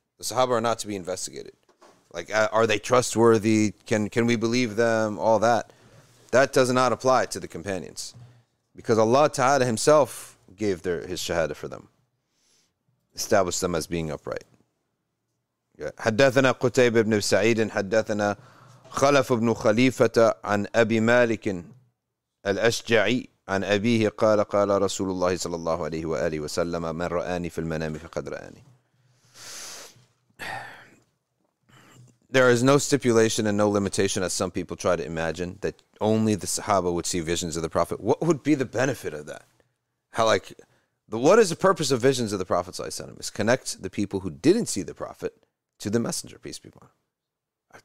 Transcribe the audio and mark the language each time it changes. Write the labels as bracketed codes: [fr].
[en] The Sahaba are not to be investigated. Like, are they trustworthy? Can we believe them? All that. That does not apply to the companions. Because Allah Ta'ala himself gave his shahada for them. Established them as being upright. [ar] حدثنا قتيبة بن سعيد حدثنا خلف بن خليفة عن أبي مالك الأشجعي عن أبيه قال قال رسول الله صلى الله عليه وآله وسلم من رآني في المنام فقد رآني. [en] There is no stipulation and no limitation, as some people try to imagine, that only the Sahaba would see visions of the Prophet. What would be the benefit of that? How, like, what is the purpose of visions of the Prophet [ar] sallallahu alaihi wasallam? [en] Is connect the people who didn't see the Prophet to the Messenger, peace be upon him.